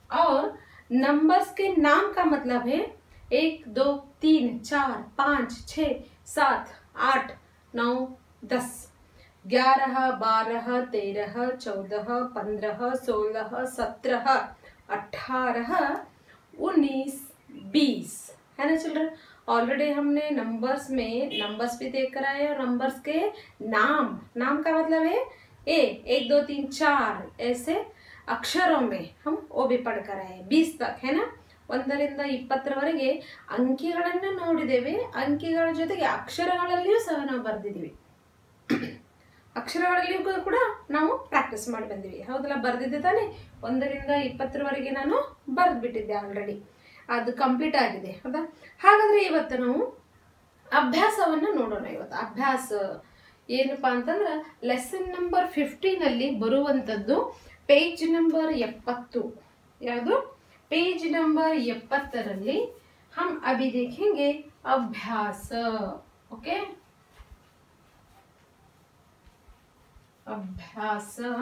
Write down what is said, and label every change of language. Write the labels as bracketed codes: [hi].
[hi] और नंबर्स के नाम का मतलब है 1, 2, 3, 4, 5, 6, 7, 8, 9, 10 11, 12, 13, 14, 15, 16, 17, 18, 19, 20 है ना चिल्ड्रन. ऑलरेडी हमने नंबर्स में नंबर्स भी देख कर आए और नंबर्स के नाम, नाम का मतलब है एक दो तीन चार ऐसे अक्षरों में हम वो भी पढ़ कर आए 20 तक है ना. [kn] 1 to 20 ಅಂಕಿಗಳನ್ನು ನೋಡಿದ್ದೇವೆ. ಅಂಕಿಗಳ ಜೊತೆಗೆ ಅಕ್ಷರಗಳಲ್ಲಿಯೂ ಸಹ ನಾವು ಬರೆದಿದ್ದೀವಿ. ಅಕ್ಷರಗಳಲ್ಲಿಯೂ ಕೂಡ ನಾವು ಪ್ರಾಕ್ಟೀಸ್ ಮಾಡಿ ಬಂದಿವಿ ಹೌದಲ್ಲ. ಬರೆದಿದ್ದೆ ತಾನೇ, 1 to 20 ನಾನು ಬರೆದ್ಬಿಟ್ಟಿದ್ದೆ ಆಲ್ರೆಡಿ, ಅದು ಕಂಪ್ಲೀಟ್ ಆಗಿದೆ ಹೌದಾ. ಹಾಗಾದ್ರೆ ಇವತ್ತು ನಾವು ಅಭ್ಯಾಸವನ್ನು ನೋಡೋಣ. ಇವತ್ತು ಅಭ್ಯಾಸ ಏನಪ್ಪಾ ಅಂತಂದ್ರೆ, ಲೆಸನ್ ನಂಬರ್ 15 ಅಲ್ಲಿ ಬರುವಂತದ್ದು ಪೇಜ್ ನಂಬರ್ 70. [hi] ಯಾವುದು पेज नंबर 70 ರಲ್ಲಿ हम अभी देखेंगे अभ्यास. ओके, अभ्यास.